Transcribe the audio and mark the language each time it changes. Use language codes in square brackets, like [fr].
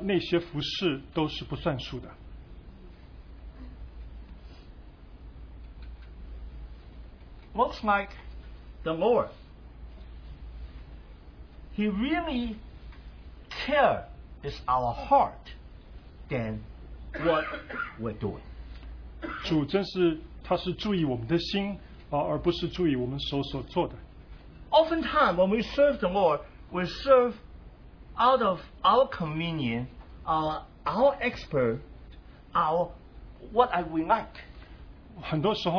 [zh] 他如果没有得到他的敬拜，那那些服事都是不算数的。 [en] Looks like the Lord, he really care is our heart than what we're doing. [zh] 主真是他是注意我们的心。 [en] Often time when we serve the Lord, we serve out of our convenience, our expert, what we like.